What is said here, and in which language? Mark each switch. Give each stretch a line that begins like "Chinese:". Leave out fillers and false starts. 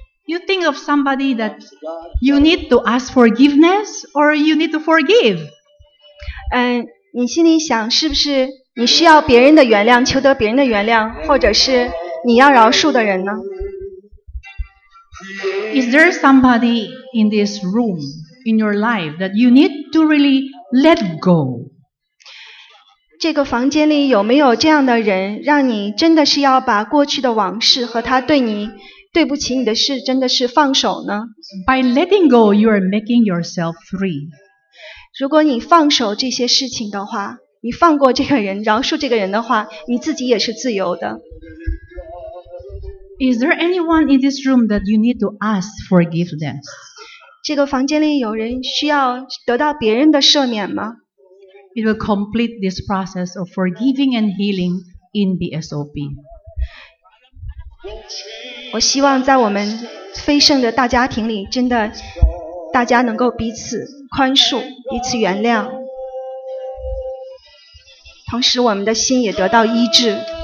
English: You think of somebody that you need to ask forgiveness or you need to forgive?
Chinese: 你心里想是不是？你需要别人的原谅，求得别人的原谅，或者是你要饶恕的人呢？
English: Is there somebody in this room, in your life, that you need to really let go。
Chinese: 这个房间里有没有这样的人，让你真的是要把过去的往事和他对你对不起你的事真的是放手呢？
English: By letting go, you are making yourself free.
Chinese: 如果你放手这些事情的话，你放过这个人，饶恕这个人的话，你自己也是自由的。
English: Is there anyone in this room that you need to ask forgiveness?
Chinese: 这个房间里有人需要得到别人的赦免吗？
English: It will complete this process of forgiving and healing in BSOP.
Chinese: 我希望在我们飞圣的大家庭里，真的大家能够彼此宽恕，彼此原谅，同时我们的心也得到医治。